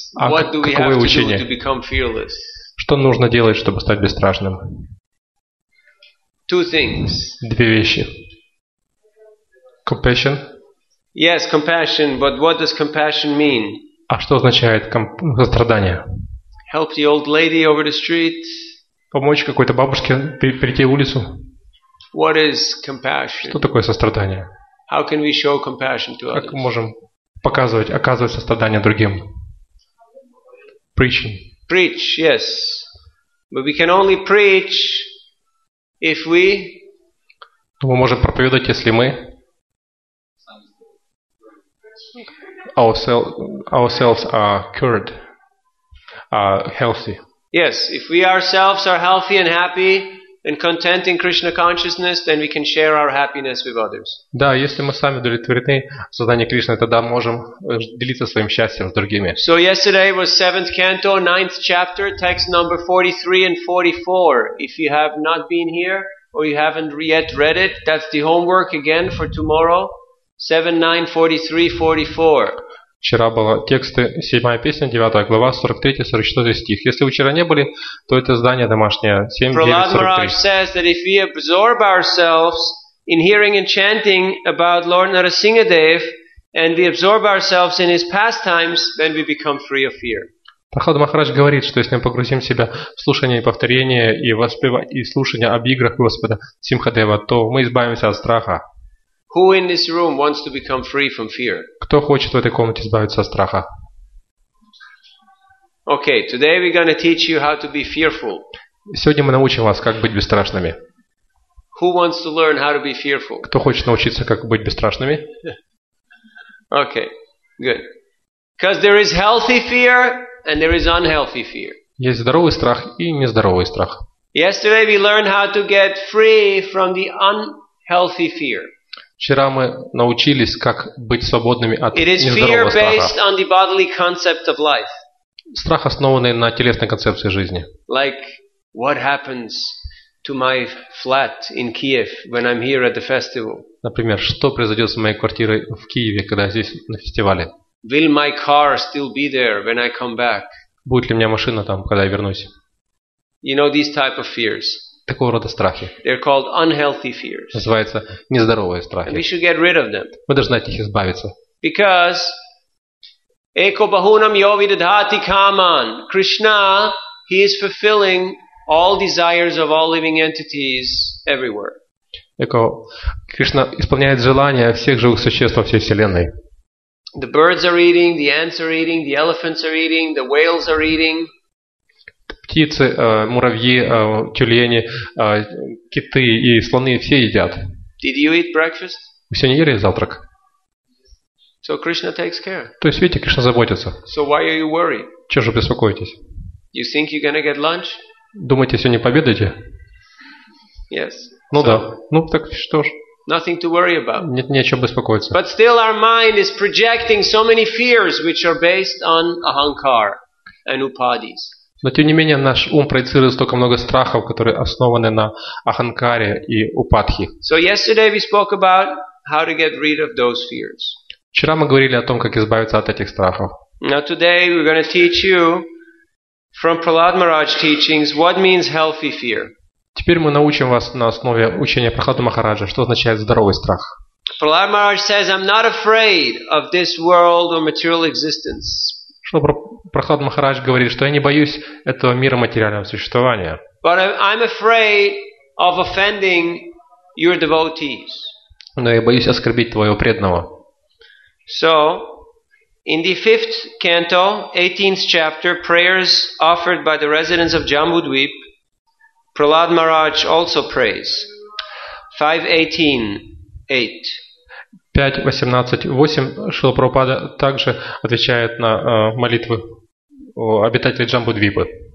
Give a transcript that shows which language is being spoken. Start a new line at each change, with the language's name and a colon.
English: What do we have to do to become fearless?
Russian: Что нужно делать, чтобы стать бесстрашным?
English: Two things.
Russian: Две вещи.
English: Compassion. Yes, compassion, but what does compassion mean?
Russian: А что означает сострадание?
English: Help the old lady over the street.
Russian: Помочь какой-то бабушке перейти улицу.
English: What is compassion?
Russian: Что такое сострадание?
English: How can we show compassion to others?
Russian: Как мы можем показывать, оказывать сострадание другим?
English: Preaching. Preach, yes. But we can only preach if we...
Russian: Мы можем проповедовать, если мы...
English: Ourselves are cured, are healthy. Yes, if we ourselves are healthy and happy and content in Krishna consciousness, then we can share our happiness with others.
Russian: Да, если мы сами удовлетворены сознанием Кришны, тогда можем делиться своим счастьем с другими.
English: So yesterday was 7th canto, 9th chapter, text number 43 and 44. If you have not been here or you haven't yet read it, that's the homework again for tomorrow. 7, 9, 43, 44.
Russian: Вчера было тексты 7 песня, 9 глава, 43, 44 стих. Если вы вчера не были, то это здание домашнее. 7, 9, 43.
English: Prahlad Maharaj says that if we absorb ourselves in hearing and chanting about Lord Narasimhadev, and we absorb ourselves in his pastimes, then we become free of fear.
Russian: Прохлад Махарадж говорит, что если мы погрузим себя в слушание и повторение и слушание об играх Господа Симхадева, то мы избавимся от страха.
English: Who in this room wants to become free from fear?
Russian: Кто хочет в этой комнате избавиться от страха?
English: Okay, today we're going to teach you how to be fearful.
Russian: Сегодня мы научим вас, как быть бесстрашными.
English: Who wants to learn how to be fearful?
Russian: Кто хочет научиться, как быть бесстрашными?
English: Okay, good. Because there is healthy fear and there is unhealthy fear.
Russian: Есть здоровый страх и нездоровый страх.
English: Yesterday we learned how to get free from the unhealthy fear.
Russian: Вчера мы научились, как быть свободными от нездорового страха. Страх, основанный на телесной концепции жизни.
English: Like, what happens to my flat in Kiev when I'm here at the festival?
Russian: Например, что произойдет с моей квартирой в Киеве, когда я здесь на фестивале?
English: Will my car still be there when I come back?
Russian: Будет ли у меня машина там, когда я вернусь?
English: You know these type of fears.
Russian: Такого рода страхи.
English: They're called unhealthy fears.
Russian: Называются нездоровые страхи.
English: We should get rid of them.
Russian: Мы должны от них избавиться.
English: Because
Sanskrit: eko bahunam yovidadhati kaman.
English: Krishna, he is fulfilling all desires of all living entities everywhere.
Russian: Эко Кришна исполняет желания всех живых существ во всей вселенной.
English: The birds are eating, the ants are eating, the elephants are eating, the whales are eating.
Russian: Птицы, муравьи, тюлени, киты и слоны все едят.
English: Did you eat breakfast?
Russian: Вы сегодня ели завтрак?
English: So Krishna takes care.
Russian: То есть видите, Кришна заботится.
English: So why are you worried?
Russian: Чего же беспокоитесь?
English: You think you're gonna get lunch?
Russian: Думаете, сегодня победите?
English: Yes.
Russian: Ну да. Ну так что ж.
English: Nothing to worry about.
Russian: Нет, не о чем беспокоиться.
English: But still our mind is projecting so many fears which are based on ahankar and upadis.
Russian: Но тем не менее наш ум проецирует столько много страхов, которые основаны на аханкаре и упадхи.
English: So yesterday we spoke about how to get rid of those fears.
Russian: Вчера мы говорили о том, как избавиться от этих страхов.
English: Now today we're going to teach you from Prahlad Maharaj teachings what means healthy fear.
Russian: Теперь мы научим вас на основе учения Прахлады Махараджа, что означает здоровый страх.
English: Prahlad Maharaj says, I'm not afraid of this world or material existence.
Russian: Что Прахлад Махарадж говорит, что я не боюсь этого мира материального существования.
English: But I'm afraid of offending your devotees.
Russian: Но я боюсь оскорбить твоего преданного.
English: So, in the fifth canto, 18th chapter, prayers offered by the residents of Jambudvip, Prahlad Maharaj also prays. 5.18.8.
Russian: 5.18.8 Шрила Прабхупада также отвечает на молитвы обитателей Джамбудвипы.